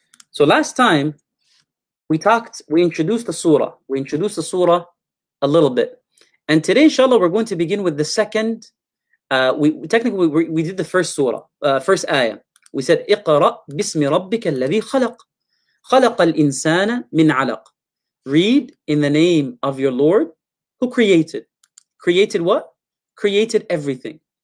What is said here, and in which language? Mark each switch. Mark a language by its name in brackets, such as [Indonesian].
[English] So last time, we introduced the surah a little bit. And today, inshallah, we're going to begin with the second. We did the first surah, first ayah. We said, [Arabic] اقرأ بسم ربك الذي خلق. خلق الإنسان من علق. [English] Read in the name of your Lord who created. Created what? Created everything.